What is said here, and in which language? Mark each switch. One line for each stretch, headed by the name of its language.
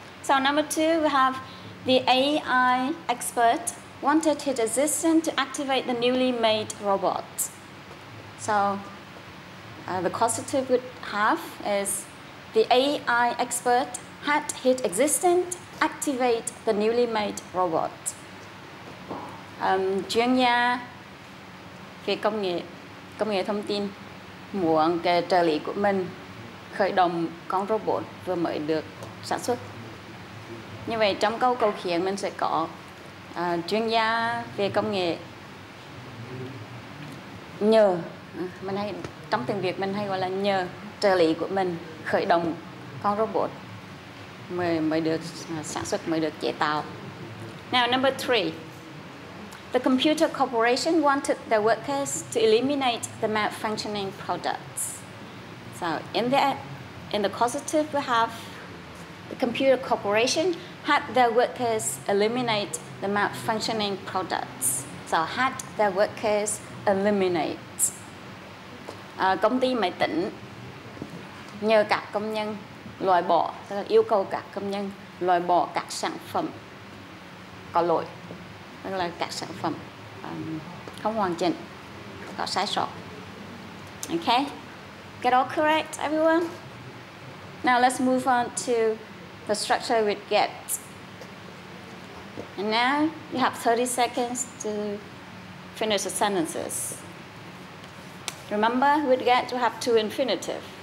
English: So number two, we have the AI expert wanted his assistant to activate the newly made robot. So the causative we have is the AI expert had his assistant activate the newly made robot.
Vietnamese: Chuyên gia về công nghệ thông tin muốn cái trợ lý của mình khởi động con robot vừa mới được sản xuất. Như vậy trong câu cầu khiển mình sẽ có chuyên gia về công nghệ nhờ, mình hay trong tiếng Việt mình hay gọi là nhờ trợ lý của mình khởi động con robot mới được sản xuất, mới được chế tạo.
English: Now number three, the computer corporation wanted their workers to eliminate the malfunctioning products. So in the causative we have the computer corporation had their workers eliminate the malfunctioning products. So had their workers eliminate.
Vietnamese: Công ty máy tính nhờ các công nhân loại bỏ, yêu cầu các công nhân loại bỏ các sản phẩm có lỗi, tức là các sản phẩm không hoàn chỉnh, có sai sót.
English: Okay, get all correct, everyone. Now let's move on to the structure we get. And now you have 30 seconds to finish the sentences. Remember, we get to have two infinitive.